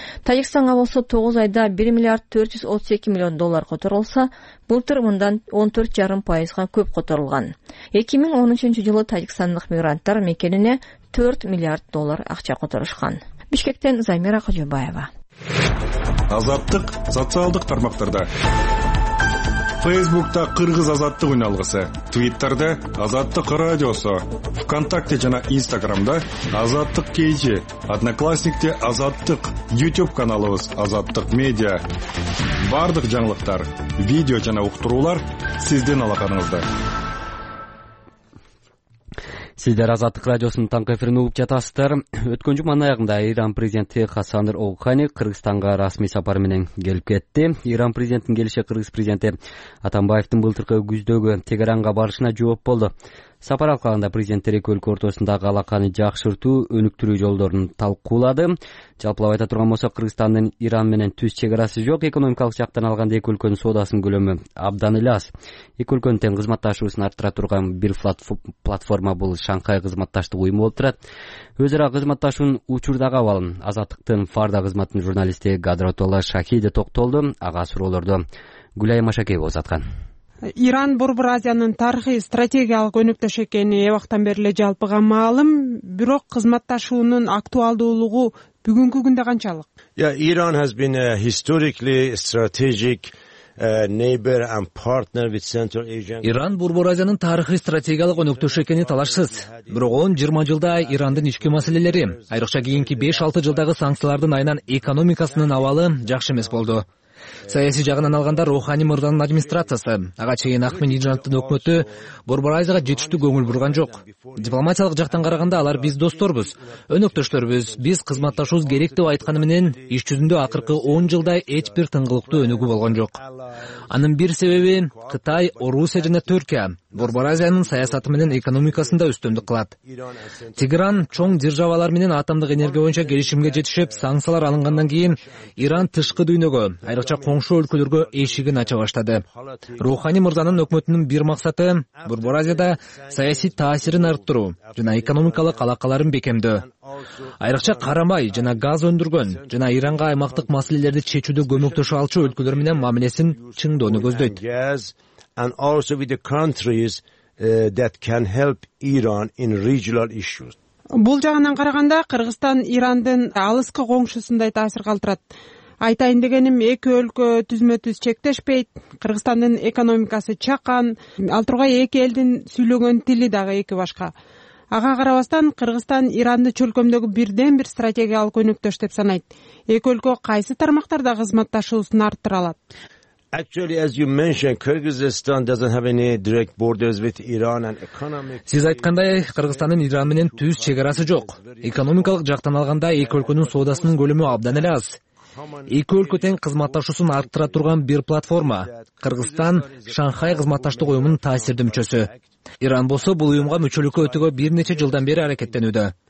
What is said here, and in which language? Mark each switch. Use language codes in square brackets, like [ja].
[ky] Тажикстанга болсо 9 айда 1 миллиард 482 миллион доллар которулса, былтыр мындан 14.5% көп которулган. 2013 жылы тажикстандык мигранттар мекенине 4 миллиард доллар акча которушкан. Бишкектен Замира Кожобаева. Азаттык социалдык тармактарда. Facebook'ta Kırgız Azattık Ünalgısı, Twitter'da Azattık Radyosu, ВКонтакте жана Instagram'da Azattık Кейжи, Одноклассник'te Azattık, YouTube каналыбыз Azattık Media. Бардык жаңылыктар, видео жана уктуруулар сиздин алаканыңызда. Сиздер Азаттык радиосунун таңкы эфирин угуп жатасыздар. Өткөн жумадан аягында Иран президенти Хасан Роухани Кыргызстанга расмий сапар менен келип кетти. Иран президентинин келиши Кыргыз президенти Атамбаевдин былтыркы күздөгү Тегеранга барышына жооп болду. Сапар алкагында президенттер эки өлкө ортосундагы алаканы жакшыртуу, өнүктүрүү жолдорун талкуулады. Жалпылап айта турган болсок, Кыргызстандын Иран менен түз чекарасы жок. Экономикалык жактан алганда эки өлкөнүн соодасынын көлөмү абдан эле аз. Эки өлкөнүн тең кызматташуусун арттыра турган бир платформа бул Шанхай кызматташтык уюму болуп турат. Өз ара кызматташуунун учурдагы абалын Азаттыктын Фарда кызматынын журналисти Кадыратулла Шахиди токтолду. Ага суроолорду Гүлайым Ашакеева узаткан. Иран Борбор Азиянын тарыхый стратегиялык өнөктөш экени эбактан бери эле жалпыга маалым, бирок кызматташуунун актуалдуулугу бүгүнкү күндө канчалык? [en] Иран has been a historically strategic neighbor and partner with Central Asia. [ky] Иран Борбор Азиянын тарыхый стратегиялык өнөктөш экени талашсыз, бирок 10-20 жылда Ирандын ички маселелери, айрыкча кийинки 5-6 жылдагы санкциялардын айынан экономикасынын абалы жакшы эмес болду. Саяси жагынан алганда Рухани мырзанын администрациясы, ага чейин Ахмадинежаддын өкмөтү Борборазияга жетиштүү көңүл бурган жок. Дипломатиялык жактан караганда алар биз досторбуз, өнөктөштөрбүз, биз кызматташыбыз керек деп айтканы менен иш жүзүндө акыркы 10 жылда эч бир тыңгылыктуу өнүгүү болгон жок. Анын бир себеби Кытай, Орусия жана Түркия Борборазиянын саясаты менен экономикасында үстөмдүк кылат. Тигран чоң державалар менен атомдук энергия боюнча келишимге жетишип, санкциялар алынгандан кийин Иран тышкы дүйнөгө, айрыкча коңшу өлкөлөргө эшигин ача баштады. Рухани мырзанын өкмөтүнүн бир максаты Борборазияда саясий таасирин арттыруу жана экономикалык алакаларын бекемдөө. Айрыкча карамай жана газ өндүргөн жана Иранга аймактык маселелерди чечүүдө көмөктөшө алчу өлкөлөр менен мамилесин чыңдоону көздөйт. [en] And also with the countries that can help Iran in regional issues. [ky] Бул жагынан караганда Кыргызстан Ирандын алыскы коңшусундай таасир калтырат. Айтайын дегеним, эки өлкө түзмөтүз чектешпейт. Кыргызстандын экономикасы чакан, ал тургай эки элдин сүйлөгөн тили дагы эки башка. Ага карабастан Кыргызстан Иранды чөлкөмдөгү бирден бир стратегиялык өнөктөш деп санайт. Эки өлкө кайсы тармактарда кызматташуусун арттыра алат? [en] Actually, as you mentioned, Kyrgyzstan doesn't have any direct borders with Iran and economic. [ky] Сиз айткандай, Кыргызстандын Иран менен түз чек арасы жок. Экономикалык жактан алганда эки өлкөнүн соодасынын көлөмү абдан эле аз. Эки өлкө тең кызматташуусун арттыра турган бир платформа. Кыргызстан Шанхай кызматташтык уюмунун таасирдүү мүчөсү. Иран болсо бул уюмга мүчөлүккө өтүүгө бир нече жылдан бери аракеттенүүдө.